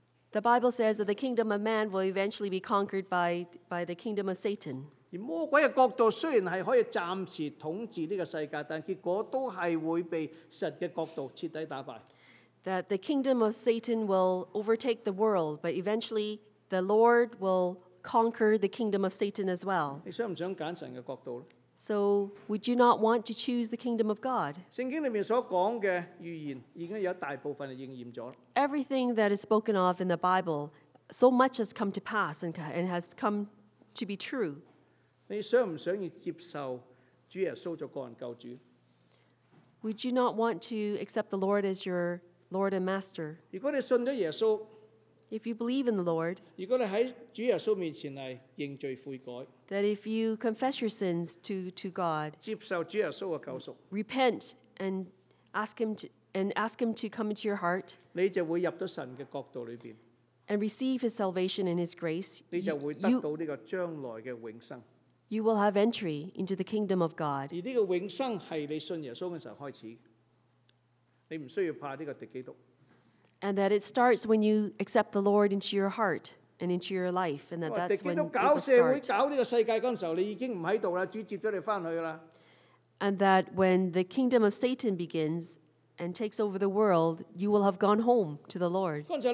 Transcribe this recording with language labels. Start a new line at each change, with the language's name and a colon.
English: the Bible says that the kingdom of man will eventually be conquered by the kingdom of Satan.
Chinese: 而魔鬼的角度虽然是可以暂时统治这个世界，但结果都是会被神的角度彻底打败。
English: That the kingdom of Satan will overtake the world, but eventually the Lord will conquer the kingdom of Satan as well.
Chinese: 你想不想選神的角度?
English: So would you not want to choose the kingdom of God?
Chinese: 聖經裡面所說的預言已經有大部分應驗了。
English: Everything that is spoken of in the Bible, so much has come to pass and has come to be true.
Chinese: 你想不想接受主耶穌做個人救主?
English: Would you not want to accept the Lord as your Lord and Master?
Chinese: 如果你信了耶稣,
English: if you believe in the Lord,
Chinese: 如果你在主耶稣面前来认罪悔改,
English: that if you confess your sins to God,
Chinese: 接受主耶稣的救赎,
English: repent and ask him to come into your heart,
Chinese: 你就会入到神的国度里面,
English: and receive his salvation and his grace,
Chinese: 你就会得到这个将来的永生,
English: you will have entry into the kingdom of God.
Chinese: 而这个永生是你信耶稣的时候开始,
English: and that it starts when you accept the Lord into your heart and into your life, and that's when it will start. And that when the kingdom of Satan begins and takes over the world, you will have gone home to the Lord.